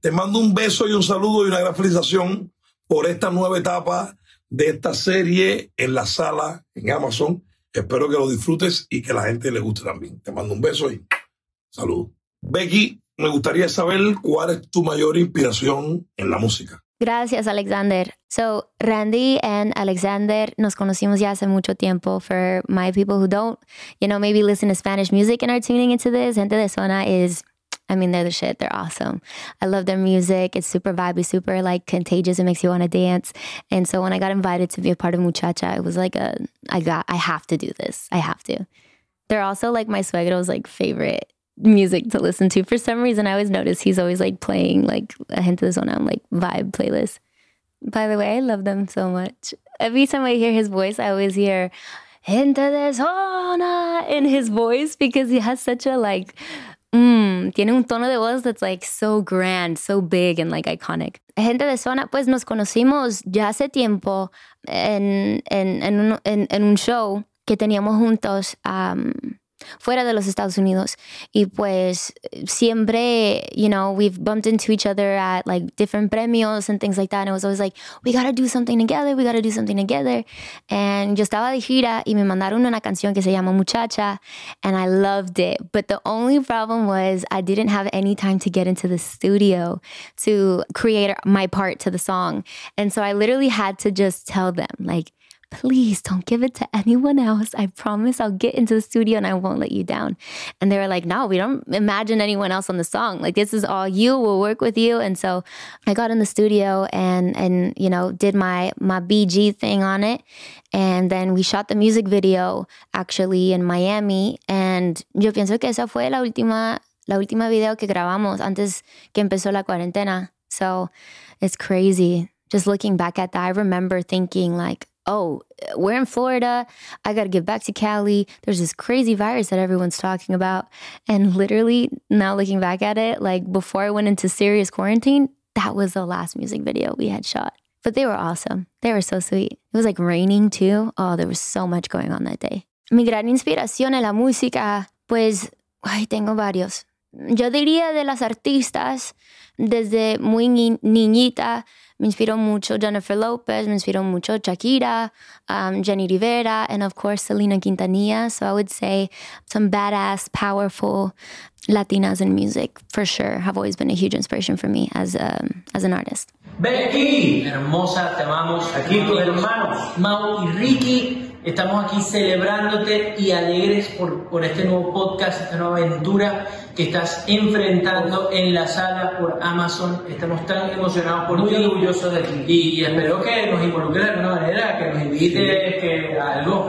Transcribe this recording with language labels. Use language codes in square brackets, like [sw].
[es] Te mando un beso y un saludo y una gran felicitación por esta nueva etapa de esta serie en la sala en Amazon. Espero que lo disfrutes y que la gente le guste también. Te mando un beso y salud. Becky, me gustaría saber cuál es tu mayor inspiración en la música. Gracias, Alexander. So, Randy and Alexander, nos conocimos ya hace mucho tiempo. [en] For my people who don't, you know, maybe listen to Spanish music and are tuning into this, Gente de Zona is, I mean, they're the shit. They're awesome. I love their music. It's super vibey, super, like, contagious. It makes you want to dance. And so when I got invited to be a part of Muchacha, it was like I have to do this. I have to. They're also, like, my suegro's, like, favorite music to listen to. For some reason, I always notice he's always like playing like a Gente de Zona, like vibe playlist. By the way, I love them so much. Every time I hear his voice, I always hear Gente de Zona in his voice because he has such a like [es] Tiene un tono de voz [en] that's like so grand, so big and like iconic. [es] Gente de zona, pues nos conocimos ya hace tiempo en un show que teníamos juntos fuera de los Estados Unidos. Y pues siempre, [en] you know, we've bumped into each other at like different premios and things like that. And it was always like, we gotta do something together, we gotta do something together. [es] And yo estaba de gira y me mandaron una canción que se llama Muchacha. [en] And I loved it. But the only problem was I didn't have any time to get into the studio to create my part to the song. And so I literally had to just tell them, like, please don't give it to anyone else. I promise I'll get into the studio and I won't let you down. And they were like, no, we don't imagine anyone else on the song. Like, this is all you. We'll work with you. And so I got in the studio and you know, did my BG thing on it. And then we shot the music video actually in Miami. [es] And yo pienso que esa fue la última video que grabamos antes que empezó la cuarentena. [en] So it's crazy. Just looking back at that, I remember thinking like, oh, we're in Florida. I got to get back to Cali. There's this crazy virus that everyone's talking about. And literally, now looking back at it, like before I went into serious quarantine, that was the last music video we had shot. But they were awesome. They were so sweet. It was like raining too. Oh, there was so much going on that day. [es] Mi gran inspiración en la música, pues, ay, tengo varios. Yo diría de las artistas, desde muy niñita, me inspiró mucho Jennifer Lopez, me inspiró mucho Shakira, Jenny Rivera, [en] and of course [es] Selena Quintanilla. [en] So I would say some badass, powerful Latinas in music, for sure, have always been a huge inspiration for me as an artist. [es] Becky, hermosa, te amamos. Aquí tus hermanos, Mau y Ricky, estamos aquí celebrándote y alegres por este nuevo podcast, esta nueva aventura que estás enfrentando en la sala por Amazon. Estamos tan emocionados por ti. Muy orgulloso de ti. Y espero que nos involucres de alguna manera, que nos invites, sí, que algo.